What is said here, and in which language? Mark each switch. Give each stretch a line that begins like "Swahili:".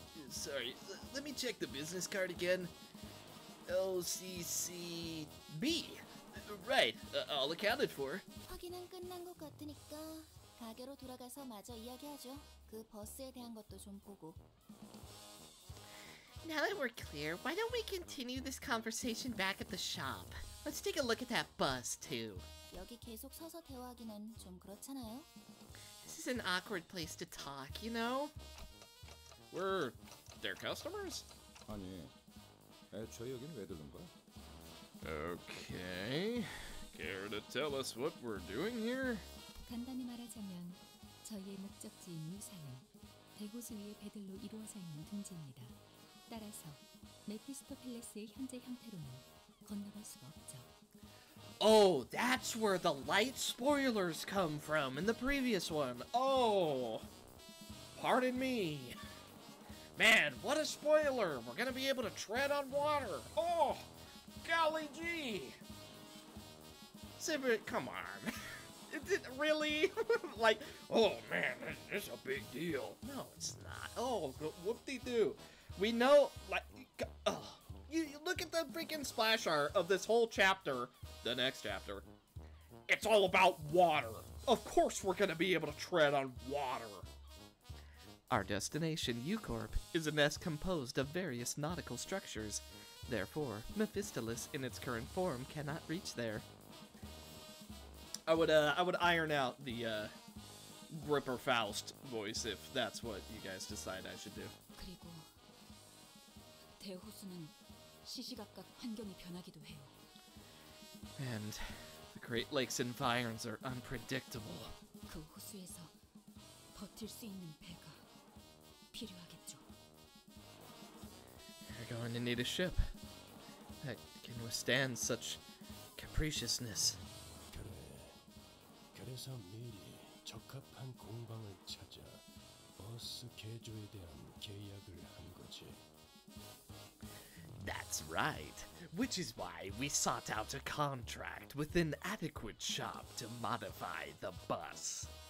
English: Sorry, let me check the business card again. LCC... B! Right. All accounted for.
Korean: 확인은 끝난 것 같으니까 가게로 돌아가서 마저 이야기하죠. 그 버스에 대한 것도 좀 보고.
English: Now that we're clear, why don't we continue this conversation back at the shop? Let's take a look at that bus, too.
Korean: 여기 계속 서서 대화하기는 좀 그렇잖아요.
English: This is an awkward place to talk, you know? We're their customers?
Korean: 아니, 애초에 여긴 왜 들른 거야?
English: Okay, care to tell us what we're doing here?
Korean: 간단히 말하자면, 저희의 목적지인 유사는 대호수 위에 배들로 이루어져 있는 둥지입니다. 따라서 메피스토 팰리스의 현재 형태로는 건너갈 수가 없죠.
English: Oh, that's where the light spoilers come from in the previous one. Oh, pardon me. Man, what a spoiler! We're gonna be able to tread on water! Oh, golly gee! Sibir, come on. Really? Like, oh man, this is a big deal. No, it's not. Oh, whoop-de-doo. We know, like, you look at the freaking splash art of this whole chapter. The next chapter. It's all about water. Of course we're gonna be able to tread on water. Our destination, U-Corp, is a nest composed of various nautical structures. Therefore, Mephistolus in its current form cannot reach there. I would iron out the Gripper Faust voice if that's what you guys decide I should do.
Korean: 그리고 대호수는 시시각각 환경이 변하기도 해요.
English: And the Great Lakes environs are unpredictable.
Korean: 그 호수에서 버틸 수 있는 배가 필요하겠죠.
English: We're going to need a ship that can withstand such capriciousness.
Korean: 그래서 미리 적합한 공방을 찾아 버스 개조에 대한 계약을 한 거지.
English: That's right. Which is why we sought out a contract with an adequate shop to modify the bus.